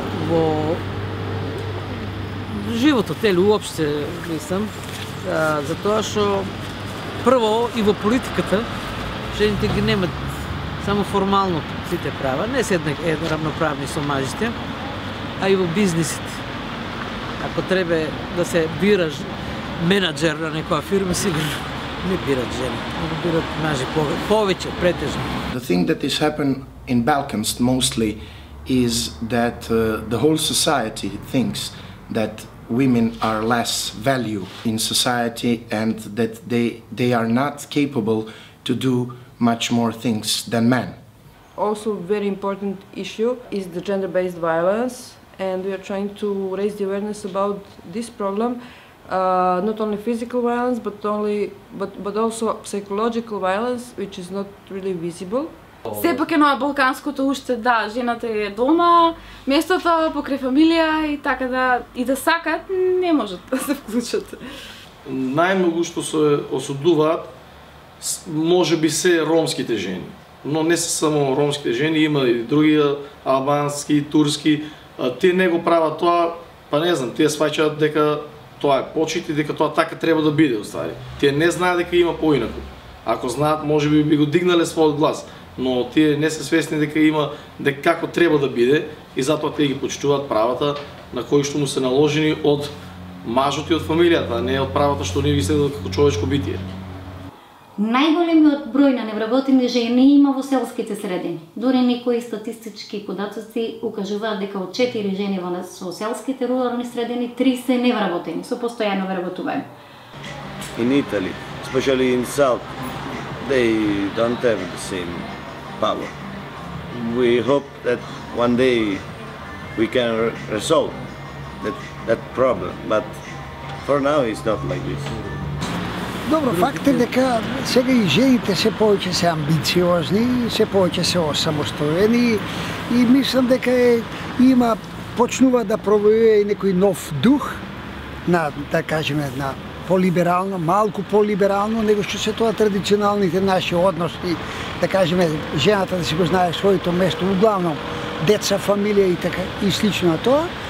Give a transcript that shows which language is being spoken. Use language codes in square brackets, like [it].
[mk] Во животот, нели, уопште, мислам, затоа што прво и во политиката жените ги немат само формално сите права, не се равноправни со мажите, а и во бизнисите. Ако треба да се бираш менеджер на некоја фирма, сигурно не бират жени, не бират мажи повеќе, претежно. [en] The thing that is happened in Balkans mostly is that the whole society thinks that women are less value in society and that they are not capable to do much more things than men. Also very important issue is the gender-based violence, and we are trying to raise the awareness about this problem, not only physical violence but also psychological violence, which is not really visible. [mk] Сепак е на балканското уште да, жената е дома, местото покрај фамилија и така да и да сакат не можат да се вклучат. Најмногу што се осудуваат може би се ромските жени, но не се само ромските жени, има и други албански, турски, тие не го прават тоа, па не знам, тие сваќаат дека тоа е почит и дека тоа така треба да биде, остави. Тие не знаат дека има поинаку. Ако знаат, може би би го дигнале својот глас. Но тие не се свесни дека има дека како треба да биде и затоа тие ги почитуваат правата на кои што му се наложени од мажот и од фамилијата, а не од правата што ние ги следуваат како човечко битие. Најголемиот број на невработени жени има во селските средини. Дури некои статистички податоци укажуваат дека од 4 жени во селските руларни средини 3 се невработени, со постојано вработување. [en] In Italy, especially in South, they don't have the same power. We hope that one day we can resolve that problem, but for now it's not like this. [mk] Добро, факт е дека сега и жените се повеќе се амбициозни, се повеќе се осамостоени и мислам дека има почнува да пробуе и некој нов дух на, да кажеме, на по-либерално, малку по-либерално, него што се тоа традиционалните наши односи, да кажеме, жената да си го знае своето место, главно деца, фамилија и така и слично тоа.